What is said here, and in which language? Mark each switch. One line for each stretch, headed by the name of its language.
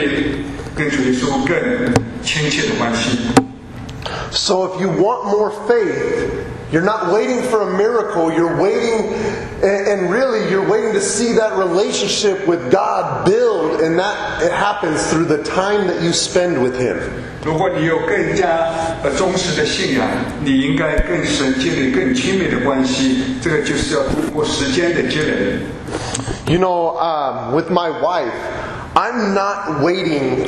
Chinese: 奇迹本身并不能够使我们能够建立跟主耶稣更亲切的关系。
English: So if you want more faith, you're not waiting for a miracle, you're waiting, and really you're waiting to see that relationship with God build, and that it happens through the time that you spend with Him.
Chinese: 如果你有更加忠实的信仰，你应该跟神建立更亲密的关系，这个就是要通过时间的积累。
English: You know, with my wife, I'm not waiting.